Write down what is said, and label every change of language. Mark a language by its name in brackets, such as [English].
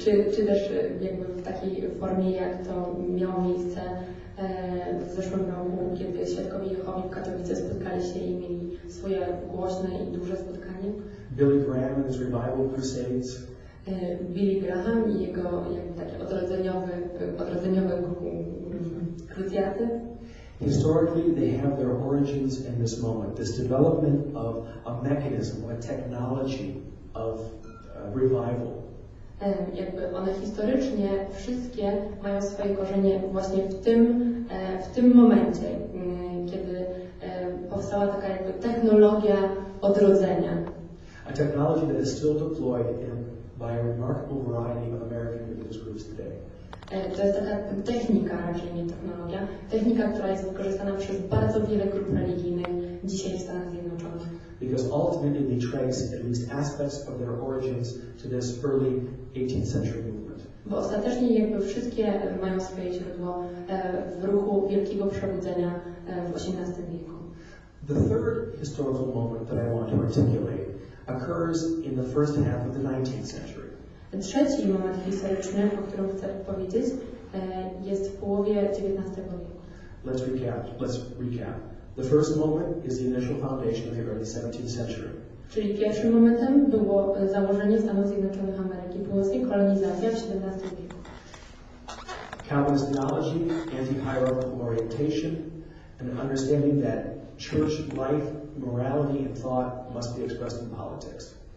[Polish] czy też jakby w takiej formie, jak to miało miejsce w zeszłym roku, kiedy Świadkowie Jehowi w Katowice spotkali się i mieli swoje głośne i duże spotkanie. [English] Billy Graham and his revival crusades. [Polish] Billy Graham i jego jakby takie odrodzeniowe krucjaty. [English] Historically, they have their origins in this moment, this development of a mechanism, a technology of revival. [Polish] Jakby one historycznie wszystkie mają swoje korzenie właśnie w tym momencie, kiedy powstała taka jakby technologia odrodzenia. [English] A technology that is still deployed by a remarkable variety of American religious groups today. [Polish] To jest taka technika, raczej nie technologia. Technika, która jest wykorzystana przez bardzo wiele grup religijnych dzisiaj w Stanach Zjednoczonych. [English] Because ultimately they trace at least aspects of their origins to this early 18th century movement. [Polish] Bo ostatecznie jakby wszystkie mają swoje źródło w ruchu wielkiego przebudzenia w XVIII wieku. [English] The third historical moment that I want to articulate occurs in the first half of the 19th century. [Polish] Trzeci moment historyczny, o którym chcę powiedzieć, jest w połowie XIX wieku. [English] Let's recap. The first moment is the initial foundation of the early 17th century. [Polish] Czyli pierwszym momentem było założenie Stanów Zjednoczonych Ameryki Północnej, kolonizacja w XVII wieku. [English] Calvinist theology, anti-hierarchical orientation, and understanding that church life, morality and thought must be expressed in politics.